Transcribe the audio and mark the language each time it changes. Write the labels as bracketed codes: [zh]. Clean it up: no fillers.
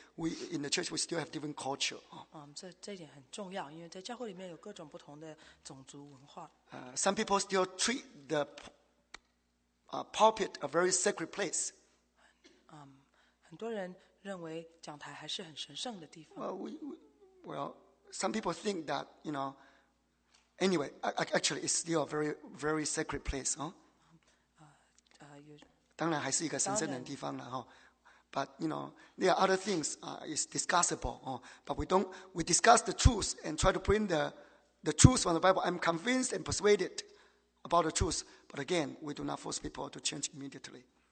[en] We in the church we still have different culture. [zh] 这点很重要，因为在教会里面有各种不同的种族文化。 [en] Some people still treat the pulpit a very sacred place. [zh] 很多人认为讲台还是很神圣的地方。 [en] Well, some people think that, you know, anyway, actually it's still a very, very sacred place. Huh? [zh] 当然还是一个神圣的地方了。 [en] But, you know, there are other things, it's discussable. But we discuss the truth and try to bring the truth from the Bible. I'm convinced and persuaded about the truth. But again, we do not force people to change immediately.